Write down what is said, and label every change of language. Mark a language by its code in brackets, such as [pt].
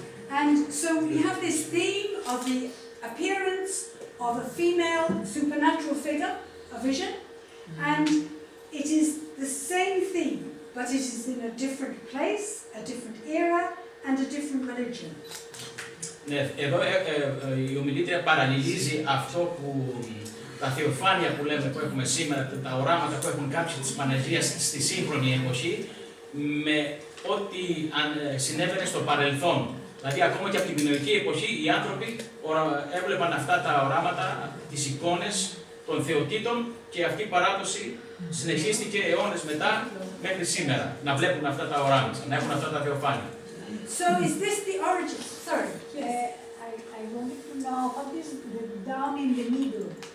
[en] And so we have this theme of the appearance of a female supernatural figure, a vision, and it is the same theme, but it is in a different place, a different era, and a different religion. [el] Εδώ η ομιλήτρια παραλληλίζει αυτό που τα θεοφάνεια που λέμε που έχουμε σήμερα, τα οράματα που έχουν κάποιοι της Παναγίας στη σύγχρονη εποχή, με ό,τι συνέβαινε στο παρελθόν. Δηλαδή, ακόμα και από την μινωική εποχή, οι άνθρωποι έβλεπαν αυτά τα οράματα, τις εικόνες των θεοτήτων και αυτή η παράδοση συνεχίστηκε αιώνες μετά μέχρι σήμερα, να βλέπουν αυτά τα οράματα, να έχουν αυτά τα θεοφάνεια. [en] So, is this the origin? Sorry. I wanted to know, what is the down in the middle?